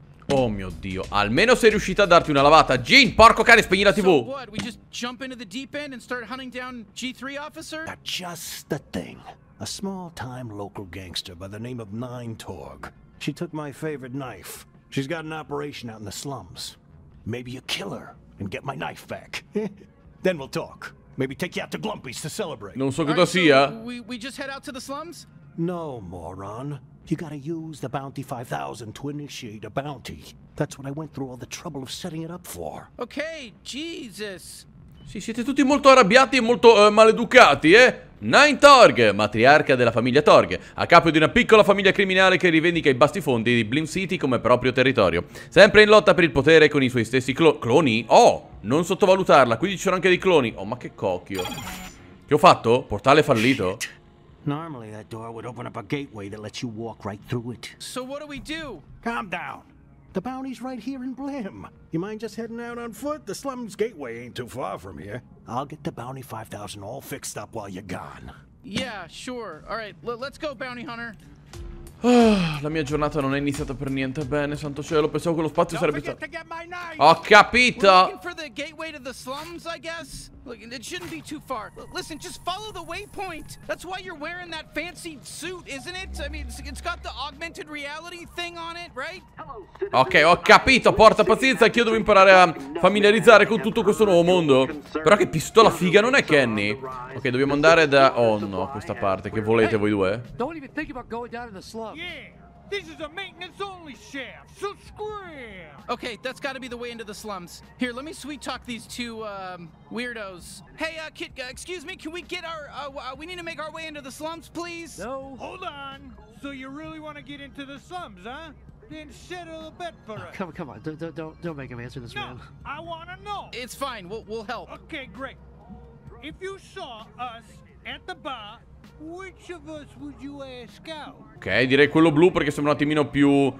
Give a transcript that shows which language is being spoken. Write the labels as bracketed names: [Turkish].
[Italian] Oh mio Dio, almeno sei riuscita a darti una lavata. Gene, porco cane, spegni la TV. [English] So what, we just jump into the deep end and start hunting down G3 officer? Not just the thing. A small-time local gangster by the name of Nine Torg. She took my favorite knife. She's got an operation out in the slums. Maybe you kill her and get my knife back. Then we'll talk. Maybe take you out to Glumpy's to celebrate. [Italian] Non so cosa right, sia. [English] So we just head out to the slums? No, moron. You gotta use the bounty 5000 to initiate a bounty. That's what I went through all the trouble of setting it up for. Okay, Jesus. [Italian] Sì, siete tutti molto arrabbiati e molto maleducati, eh? Nine Torg, matriarca della famiglia Torg, a capo di una piccola famiglia criminale che rivendica i basti fondi di Blim City come proprio territorio. Sempre in lotta per il potere con i suoi stessi cloni? Oh, non sottovalutarla, qui ci sono anche dei cloni. Oh, ma che cocchio. Che ho fatto? Portale fallito? [English] Shit. Normally that door would open up a gateway that lets you walk right through it. So what do we do? Calm down. The bounty's right here in Blim. You mind just heading out on foot? The slums gateway ain't too far from here. I'll get the bounty 5000 all fixed up while you're gone. Yeah, sure. All right, let's go, bounty hunter. [Italian] La mia giornata non è iniziata per niente bene, santo cielo. Pensavo che lo spazio [English] Don't [Italian] stato... Ho capito! [English] We're looking for the gateway to the slums, I guess. Look, it shouldn't be too far. Listen, just follow the waypoint. That's why you're wearing that fancy suit, isn't it? I mean, it's got the augmented reality thing on it, right? [Italian] Ok, ho capito, porta pazienza, anch'io devo imparare a familiarizzare con tutto questo nuovo mondo. Però che pistola figa, non è Kenny? Ok, dobbiamo andare da... Oh no, questa parte, che volete voi due? [English] Don't even think about going down to the slums. Yeah, this is a maintenance only shaft, so scram! Ok, that's gotta be the way into the slums. Here, let me sweet talk these two, weirdos. Hey, kid, excuse me, can we get our, we need to make our way into the slums, please? No. Hold on, so you really want to get into the slums, huh? Then settle a bet for us. Come on, don't make him answer this, no, man. I want to know. It's fine, we'll help. Okay, great. If you saw us at the bar, which of us would you ask out? [Italian] Ok, direi quello blu perché sembra un attimino più...